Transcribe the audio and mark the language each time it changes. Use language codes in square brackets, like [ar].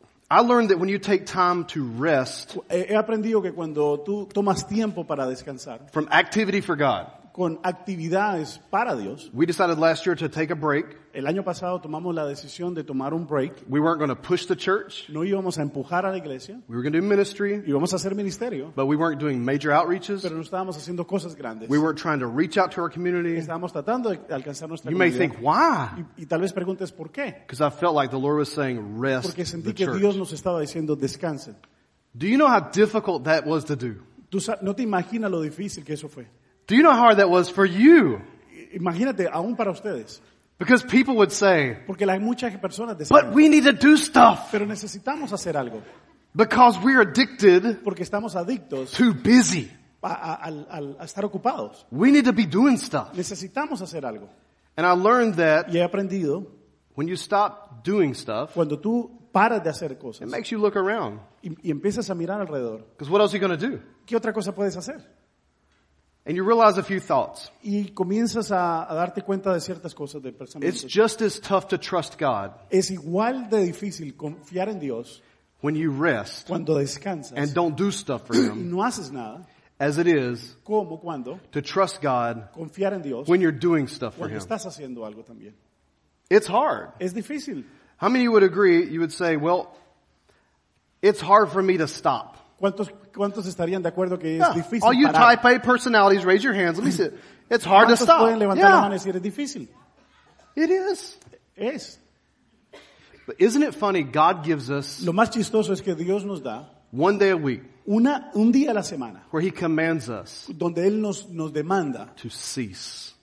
[en] I learned that when you take time to rest. [es] He aprendido que cuando tú tomas tiempo para descansar. [en] From activity for God. [es] Con actividades para Dios. [en] We decided last year to take a break. [es] El año pasado tomamos la decisión de tomar un break. [en] We weren't going to push the church. [es] No íbamos a empujar a la iglesia. [en] We were going to do ministry. [es] Íbamos a hacer ministerio. [en] But we weren't doing major outreaches. [es] Pero no estábamos haciendo cosas grandes. [en] We weren't trying to reach out to our community. [es] Estábamos tratando de alcanzar nuestra [en] you [es] comunidad. [en] You may think, why? [es] Y tal vez preguntes, ¿por qué? [en] Because I felt like the Lord was saying, rest [es] Porque sentí [en] the [es] que [en] church. [es] Dios nos estaba diciendo, descansen. [en] Do you know how difficult that was to do? [es] ¿No te imaginas lo difícil que eso fue? [en] Do you know how hard that was for you? [es] Imagínate, aún para ustedes. [en] Because people would say, [es] Porque muchas personas decían, [en] but we need to do stuff. [es] Pero necesitamos hacer algo. [en] Because we're addicted [es] Porque estamos adictos [en] too busy. [es] A estar ocupados. [en] We need to be doing stuff. [es] Necesitamos hacer algo. [en] And I learned that [es] y he aprendido, [en] when you stop doing stuff, [es] cuando tú paras de hacer cosas, [en] it makes you look around. [es] Y empiezas a mirar alrededor. [en] Because what else are you going to do? [es] ¿Qué otra cosa puedes hacer? [en] And you realize a few thoughts. [es] Y comienzas a darte cuenta de ciertas cosas de personas. [en] It's just as tough to trust God. [es] Es igual de difícil confiar en Dios. [en] When you rest. [es] Cuando descansas. [en] And don't do stuff for Him. [es] No haces nada. [en] As it is. [es] Como cuando. [en] To trust God. [es] Confiar en Dios. [en] When you're doing stuff for Him. [es] Cuando estás haciendo algo también. [en] It's hard. [es] Es difícil. [en] How many would agree? You would say, "Well, it's hard for me to stop." [es] ¿Cuántos estarían de acuerdo que es difícil parar? [en] All you type A personalities, raise your hands. Let me see. It's hard to stop. [es] ¿Pueden levantar la mano y decir, es difícil? [en] It is. [es] Es. [en] But isn't it funny? God gives us [es] lo más chistoso es que Dios nos da [en] one day a week [es] un día a la semana [en] where He commands us [es] donde Él nos demanda [en] to cease.